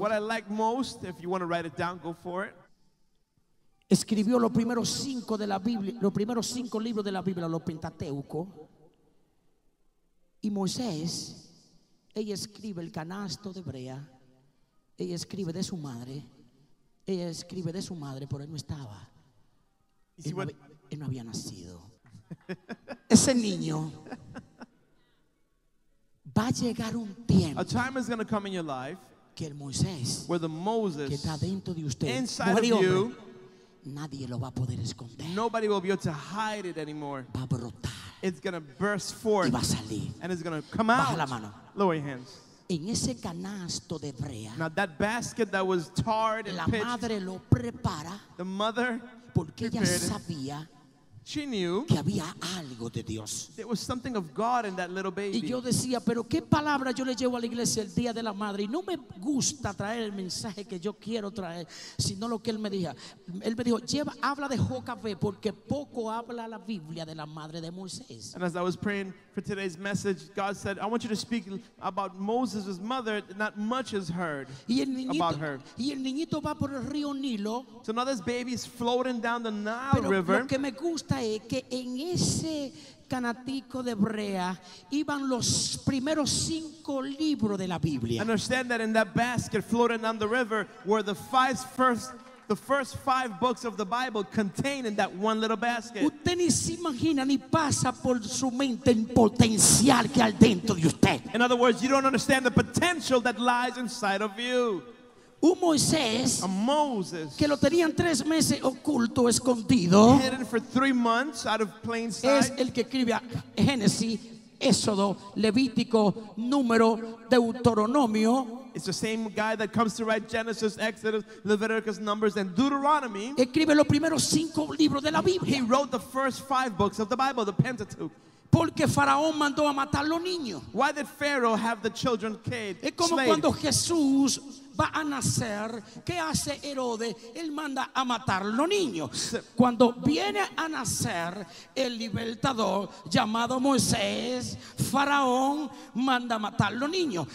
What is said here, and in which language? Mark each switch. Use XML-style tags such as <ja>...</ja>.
<en>What I like most, if you want to write it down, go for it.</en> <es>Escribió los primeros cinco de la Biblia, los primeros cinco libros de la Biblia, los Pentateuco. Y Moisés, ella escribe el canasto de brea, ella escribe de su madre, ella escribe de su madre, pero él no estaba. Él no había nacido. Ese niño va a llegar un tiempo.</es> <en>A time is going to come in your life</en> <es>que el Moisés,</es> <en>where the Moses</en> <es>que está dentro de usted,</es> <en>inside of you,</en> <es>nadie lo va a poder esconder.</es> <en>Nobody will be able to hide it anymore.</en> <es>Va a brotar.</es> <en>It's going to burst forth.</en> <es>Y va a salir.</es> <en>And it's going to come out.</en> <es>Baja la mano.</es> <en>Lower your hands.</en> <es>En ese canasto de brea.</es> <en>Now that basket that was tarred and pitched.</en> <es>La madre lo prepara.</es> <en>The mother.</en> <es>Porque ella sabía.</es> <en>She knew.</en> <es>Que había algo de Dios.</es> <en>There was something of God in that little baby.</en> <es>Y yo decía, pero qué palabra yo le llevo a la iglesia el día de la madre. Y no me gusta traer el mensaje que yo quiero traer, sino lo que él me dijo. Él me dijo, lleva, habla de Jocabed, porque poco habla la Biblia de la madre de Moisés.</es> <en>And as I was praying for today's message, God said, I want you to speak about Moses' mother. Not much is heard about her.</en> <es>Y el niñito va por el río Nilo.</es> <en>So now this baby is floating down the Nile River.</en> <es>Pero lo que me gusta es que en ese canatico de brea iban los primeros cinco libros de la Biblia.</es> <en>Understand that in that basket floating down the river were the first five books of the Bible contained in that one little basket.</en> <es>Usted ni se imagina ni pasa por su mente el potencial que hay dentro de usted.</es> <en>In other words, you don't understand the potential that lies inside of you.</en> <es>Un Moisés,</es> <en>a Moses,</en> <es>que lo tenían tres meses oculto, escondido,</es> <en>hidden for 3 months out of plain sight,</en> <es>es el que escribe a Génesis Éxodo, Levítico, Número, Deuteronomio.</es> <en>It's the same guy that comes to write Genesis, Exodus, Leviticus, Numbers, and Deuteronomy.</en> <es>Escribe los primeros cinco libros de la Biblia.</es> <en>He wrote the first five books of the Bible, the Pentateuch.</en> <es>Porque Faraón mandó a matar los niños.</es> <en>Why did Pharaoh have the children killed?</en> <es>Es como cuando Jesús va a nacer, ¿qué hace Herodes? Él manda a matar los niños. Cuando viene a nacer el libertador llamado Moisés, Faraón manda a matar los niños.</es>